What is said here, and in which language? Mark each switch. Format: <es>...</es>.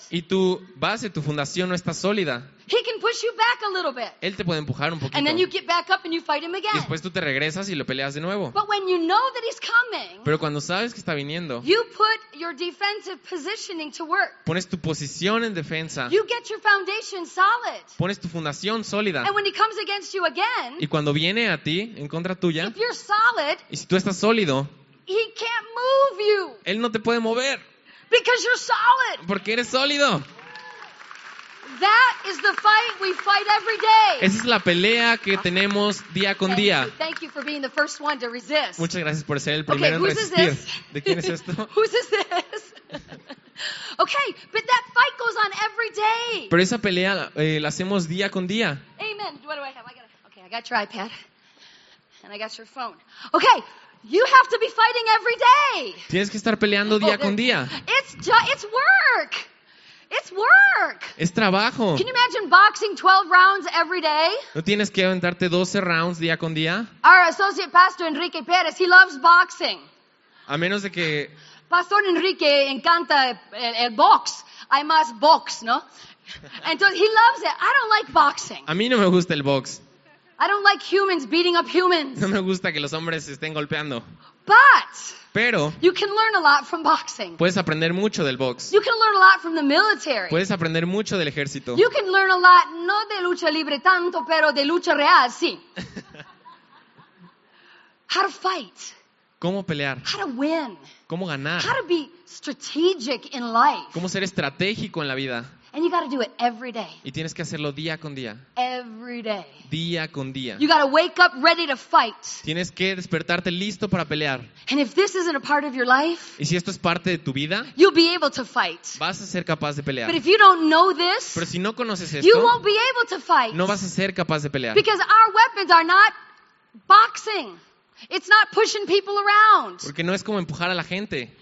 <es>y tu base, tu fundación no está sólida,</es> <en>he can push you back a little bit,</en> <es>él te puede empujar un poquito,</es> <en>and then you get back up and you fight him again.</en> <es>Y después tú te regresas y lo peleas de nuevo.</es> <en>But when you know that he's coming,</en> <es>pero cuando sabes que está viniendo,</es> <en>you put your defensive positioning to work.</en> <es>Pones tu posición en defensa.</es> <en>You get your foundation solid.</en> <es>Pones tu fundación sólida.</es> <en>And when he comes against you again,</en> <es>y cuando viene a ti en contra tuya.</es> <en>If you're solid,</en> <es>y si tú estás sólido,</es> <en>he can't move you.</en> <es>Él no te puede mover.</es> <en>Because you're solid.</en> <es>Porque eres sólido.</es> <en>That is the fight we fight every day.</en> <es>Esa es la pelea que tenemos día con día.</es> <en>Thank you for being the first one to resist.</en> <es>Muchas gracias por ser el primero en resistir.</es> <en>Okay, who's</en> <es>¿De quién es esto?</es> <en>Who's is this? Okay, but that fight goes goes on every day.</en> <es>Pero esa pelea la hacemos día con día.</es> <en>Amen. What do I have? Okay, I got your iPad. And I got your phone. Okay, you have to be fighting every day.</en> <es>Tienes que estar peleando día con día.</es> <en>It's work. It's work.</en> <es>Es trabajo.</es> <en>Can you imagine boxing 12 rounds every day?</en> <es>¿No tienes que aventarte 12 rounds día con día?</es> <en>Our associate pastor Enrique Pérez, he loves boxing.</en> <es>A menos de que Pastor Enrique encanta el box.</es> <en>I must box,</en> <es>¿no? Entonces,</es> <en>he loves it. I don't like boxing.</en> <es>A mí no me gusta el box.</es> <en>I don't like humans beating up humans.</en> <es>No me gusta que los hombres estén golpeando.</es> <en>But</en> <es>pero</es> <en>you can learn a lot from boxing.</en> <es>Puedes aprender mucho del box.</es> <en>You can learn a lot from the military.</en> <es>Puedes aprender mucho del ejército.</es> <en>You can learn a lot,</en> <es>no de lucha libre tanto, pero de lucha real, sí.</es> <en>How to fight.</en> <es>¿Cómo pelear?</es> <en>How to win.</en> <es>¿Cómo ganar?</es> <en>How to be strategic in life.</en> <es>¿Cómo ser estratégico en la vida?</es> <en>And you got to do it every day.</en> <es>Y tienes que hacerlo día con día.</es> <en>Every day.</en> <es>Día con día.</es> <en>You got to wake up ready to fight.</en> <es>Tienes que despertarte listo para pelear.</es> <en>And if this isn't a part of your life,</en> <es>y si esto es parte de tu vida,</es> <en>you'll be able to fight.</en> <es>Vas a ser capaz de pelear.</es> <en>But if you don't know this,</en> <es>pero si no conoces esto,</es> <en>you won't be able to fight.</en> <es>No vas a ser capaz de pelear.</es> <en>Because our weapons are not boxing. It's not pushing people around.</en> <es>Porque no es como empujar a la gente.</es>